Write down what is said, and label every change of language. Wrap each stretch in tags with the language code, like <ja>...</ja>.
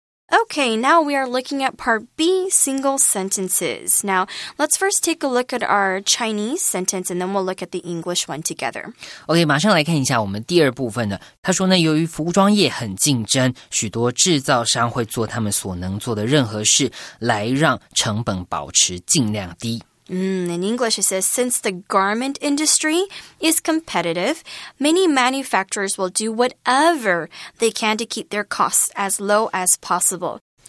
<en>OK, Okay, now we are looking at part B, single sentences. Now, let's first take a look at our Chinese sentence, and then we'll look at the English one together.</en> <zh>Okay, 马上来看一下我们第二部分的。他说呢，由于服装业很竞争，许多制造商会做他们所能做的任何事来让成本保持尽量低。</zh> <en>In English, it says, since the garment industry is competitive, many manufacturers will do whatever they can to keep their costs as low as possible.</en>